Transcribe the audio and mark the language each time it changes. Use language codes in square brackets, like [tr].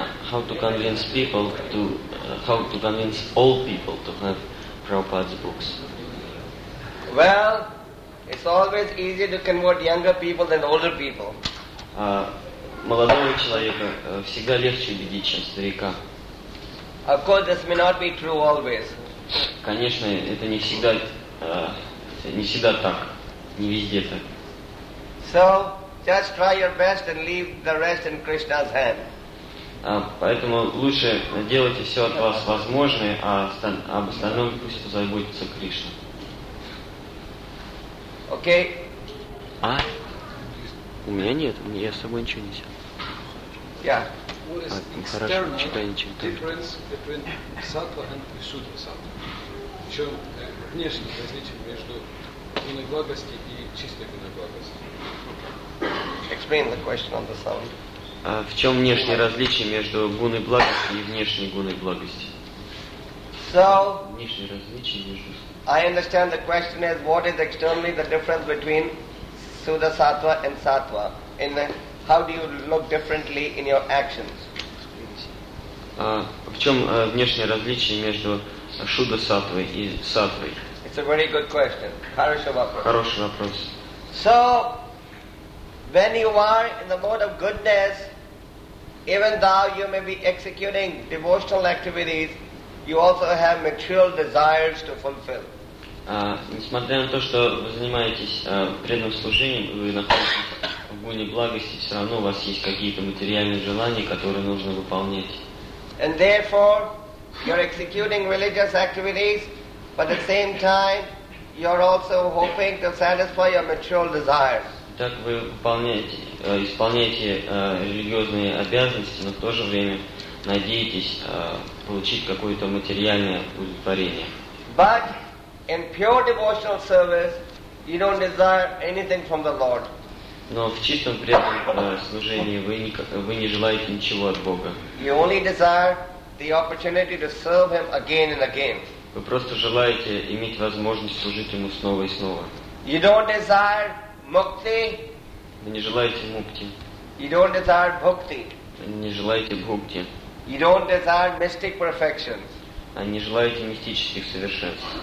[en] How to convince people to how to convince all people to have Prabhupada's books? Well, it's always easier to convert younger people than older people. [ru] Молодого человека всегда легче убедить, чем старика. [en] Of course, this may not be true always. [ru] Конечно, это не всегда не всегда так, не везде так. [en] So, just try your best and leave the rest in Krishna's hand. [ru] Поэтому лучше делайте все от вас возможное, а об остальном пусть позаботится Кришна. Окей. [en] Okay. [ru] У меня нет, я с собой ничего не взял. [en] Yeah. [ru] Хорошо, читай, ничего. [en] Difference between sattva and visuddha sattva. [ru] Еще внешнее различие между гуной благости и чистой гуной благости. [en] Explain the question on the sound. [ru] А в чем внешнее различие между гуной благости и внешней гуной благости? [en] So, [ru] внешнее различие между... [en] I understand the question is, what is externally the difference between Suddha Sattva and Sattva? And how do you look differently in your actions? [ru] В чем внешнее различие между Шудда Саттвой и Саттвой? [en] It's a very good question. [ru] Хороший вопрос. Хороший вопрос. [en] So, when you are in the mode of goodness, even though you may be executing devotional activities, you also have material desires to fulfill. [ru] Несмотря на то, что вы занимаетесь преданным служением, вы находитесь в гуне благости, все равно у вас есть какие-то материальные желания, которые нужно выполнять. [en] And therefore, you're executing religious activities, but at the same time, you're also hoping to satisfy your material desires. [ru] Так вы исполняете религиозные обязанности, но в то же время надеетесь получить какое-то материальное удовлетворение. [en] But in pure devotional service, you don't desire anything from the Lord. [ru] Но в чистом преданном служении вы не желаете ничего от Бога. [en] You only desire the opportunity to serve Him again and again. [ru] Вы просто желаете иметь возможность служить Ему снова и снова. [en] You don't desire Мукти. [ru] Вы не желаете мукти. [en] You don't desire bhakti. [ru] Не желаете бхукти. [en] You don't desire mystic perfections. [ru] Не желаете мистических совершенств.